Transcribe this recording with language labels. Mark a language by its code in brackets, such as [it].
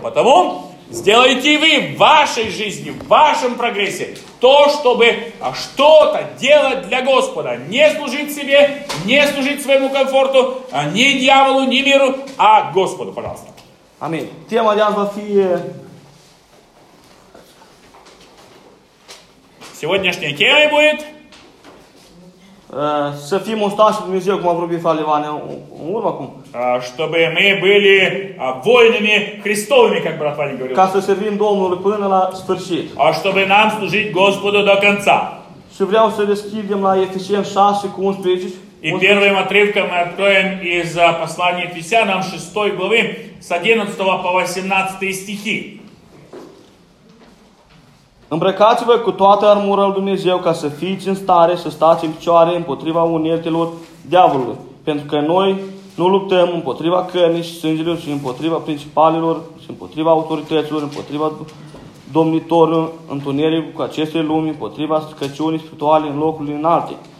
[ru] Потому сделайте вы в вашей жизни, в вашем прогрессе то, чтобы что-то делать для Господа. Не служить себе, не служить своему комфорту, ни дьяволу, ни миру, а Господу, пожалуйста. [ro] Amin. Tema de azi va fi... [ru] Сегодняшняя тема будет... [ro] Să fim ustași în Dumnezeu, cum a vorbit Фаливан în urmă acum. [ru] Чтобы мы были воинами Христовыми, как брат Фаливан говорил. [ro] Ca să servim Domnului până la sfârșit. [ru] Чтобы нам служить Господу до конца. [ro] Și vreau să deschidem la Efesieni 6 cu 11. [ru] И первым отрывком мы откроем из послания Ефесянам 6 главы с 11 по 18 стихи. [ro] Îmbrăcați-vă cu toată armura lui Dumnezeu ca să fiți în stare să stați în picioare împotriva uneltelor diavolului, pentru că noi nu luptăm împotriva cărnii și sângelor, ci împotriva principalilor, și împotriva autorităților, împotriva domnitorilor întunericului cu aceste lumi, împotriva stricăciunii spirituale în locurile înalte.